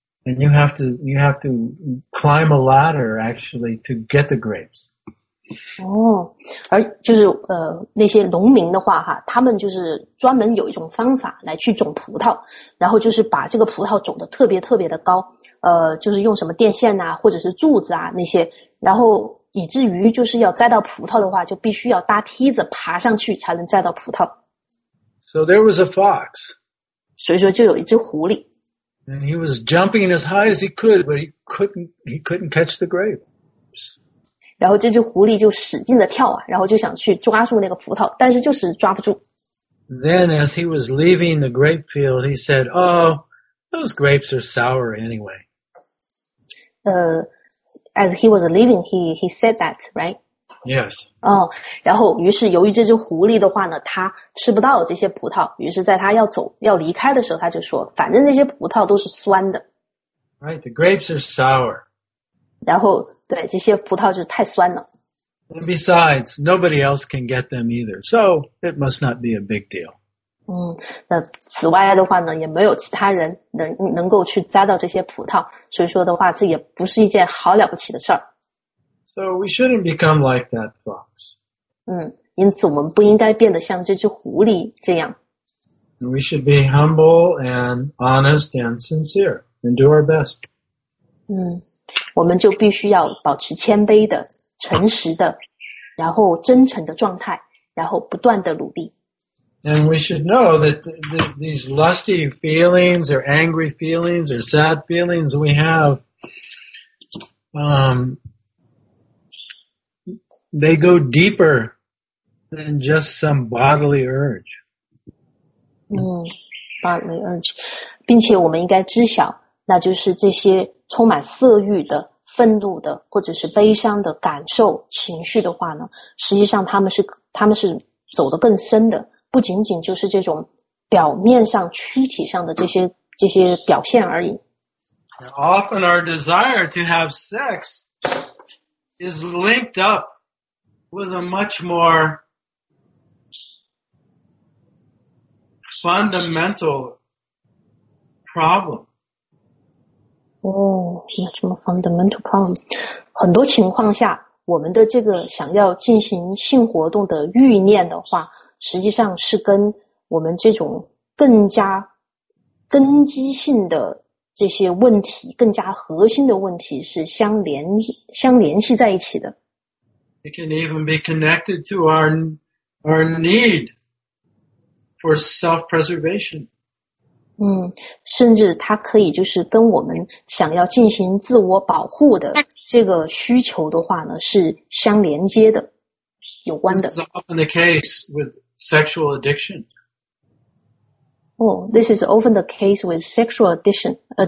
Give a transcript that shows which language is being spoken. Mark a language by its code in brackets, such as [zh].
[en] And you have to climb a ladder actually to get the grapes. [zh] 而就是那些农民的话哈，他们就是专门有一种方法来去种葡萄，然后就是把这个葡萄种得特别特别的高，就是用什么电线啊或者是柱子啊那些，然后以至于就是要摘到葡萄的话，就必须要搭梯子爬上去才能摘到葡萄。 [en] So there was a fox. [zh] 所以说就有一只狐狸。 [en] And he was jumping as high as he could, but he couldn't catch the grape. [zh] 然后这只狐狸就使劲的跳啊，然后就想去抓住那个葡萄，但是就是抓不住。 [en] Then as he was leaving the grape field, he said, "Oh, those grapes are sour anyway." As he was leaving, he said that, right? Yes. [zh] 然后于是由于这只狐狸的话呢，他吃不到这些葡萄，于是在他要离开的时候，他就说，反正这些葡萄都是酸的。 [en] Right, the grapes are sour. [zh] 然后对，这些葡萄就是太酸了。 [en] And besides, nobody else can get them either, so it must not be a big deal. [zh] 那此外的话呢，也没有其他人能够去摘到这些葡萄，所以说的话，这也不是一件好了不起的事儿。 [en] So we shouldn't become like that fox. [zh] 因此我们不应该变得像这只狐狸这样。 [en] We should be humble and honest and sincere and do our best. [zh] 我们就必须要保持谦卑的、诚实的，然后真诚的状态，然后不断的努力。 [en] And we should know that these lusty feelings or angry feelings or sad feelings we have, they go deeper than just some bodily urge. Bodily urge. [zh] 并且我们应该知晓，那就是这些充满色欲的、愤怒的或者是悲伤的感受、情绪的话呢，实际上他们是走得更深的。不仅仅就是这种表面上躯体上的这些表现而已。 [en] Often our desire to have sex is linked up with a much more fundamental problem. Much more fundamental problem. [zh] 很多情况下，我们的这个想要进行性活动的欲念的话，实际上是跟我们这种更加根基性的这些问题，更加核心的问题是相联系在一起的。 [en] It can even be connected to our need for self-preservation. [zh] 甚至它可以就是跟我们想要进行自我保护的这个需求的话呢，是相连接的，有关的。 [en] This is often the case with sexual addiction. This is often the case with sexual addiction.